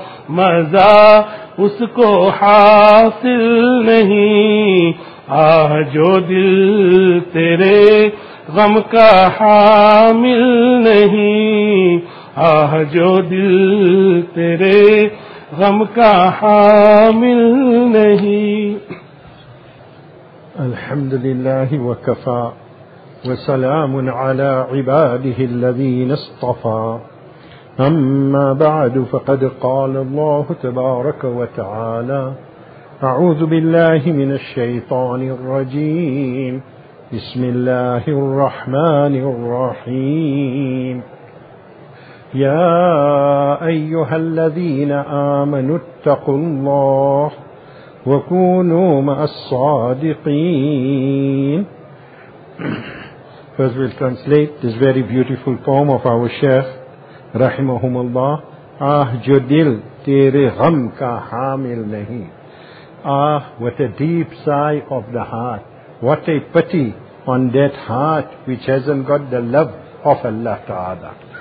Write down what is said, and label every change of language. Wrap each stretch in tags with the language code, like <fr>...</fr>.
<ur>مزہ اس کو حاصل نہیں آہ جو دل تیرے غم کا حامل نہیں آہ جو دل تیرے غم کا حامل نہیں</ur> <ar>الحمد للہ وکفا وسلام على عباده الذين اصطفى أما بعد فقد قال الله تبارك وتعالى أعوذ بالله من الشيطان الرجيم بسم الله الرحمن الرحيم يا أيها الذين آمنوا اتقوا الله وكونوا مع الصادقين.</ar> <en>First we'll translate this very beautiful poem of our Shaykh Rahimahumullah.</en> <ur>Ah, jo dil tere gham ka hamil nahi.</ur> <en>Ah, what a deep sigh of the heart. What a pity on that heart which hasn't got the love of Allah Ta'ala.</en>